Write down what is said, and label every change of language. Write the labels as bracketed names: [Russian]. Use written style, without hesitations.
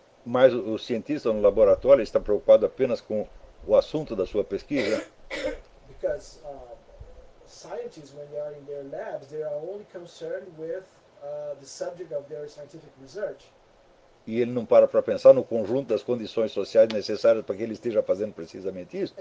[Portuguese] Mas o cientista no laboratório está preocupado apenas com o assunto da sua pesquisa. [English] Because scientists, when they are in their labs, they are only concerned with the subject of their scientific research. [Portuguese] E ele não para para pensar no conjunto das condições sociais necessárias para que ele esteja fazendo precisamente isso.